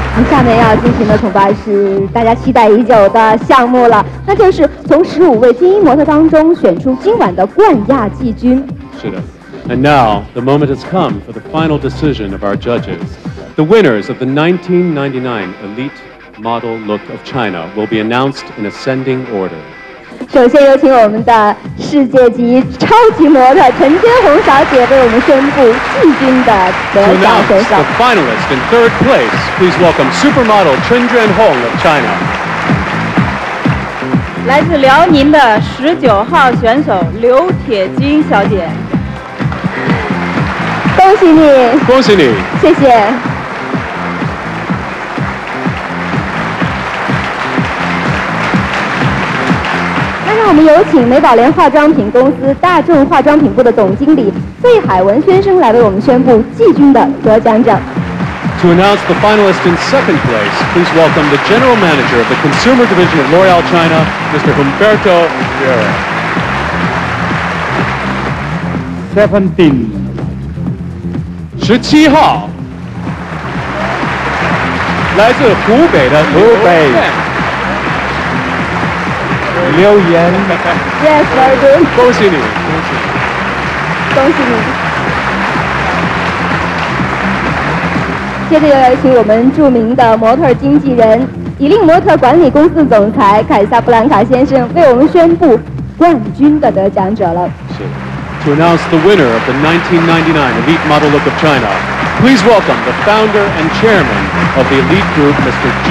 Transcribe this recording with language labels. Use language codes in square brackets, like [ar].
[zh] 下面要进行的恐怕是大家期待已久的项目了，那就是从15位精英模特当中选出今晚的冠亚季军。是的。 [en] And now the moment has come for the final decision of our judges. The winners of the 1999 Elite Model Look of China will be announced in ascending order. [zh] 首先有请我们的世界级超级模特陈天红小姐为我们宣布季军的得奖选手。 [en] To announce the finalist in third place, please welcome supermodel Chen Jianhong of China. [zh] 来自辽宁的19号选手刘铁军小姐。恭喜你，恭喜你，谢谢。我们有请美宝莲化妆品公司大众化妆品部的总经理费海文先生来为我们宣布季军的得奖者。 [en] To announce the finalist in second place, please welcome the general manager of the consumer division of L'Oreal China, Mr. Humberto Vieira. [zh] 17号，来自湖北的湖北。留言。 [en] Yes, very good. [zh] 恭喜你，恭喜你，恭喜你。接着又有请我们著名的模特经纪人，以令模特管理公司总裁凯撒布兰卡先生为我们宣布冠军的得奖者了。是。 [en] To announce the winner of the 1999 Elite Model Look of China, please welcome the founder and chairman of the Elite Group, Mr.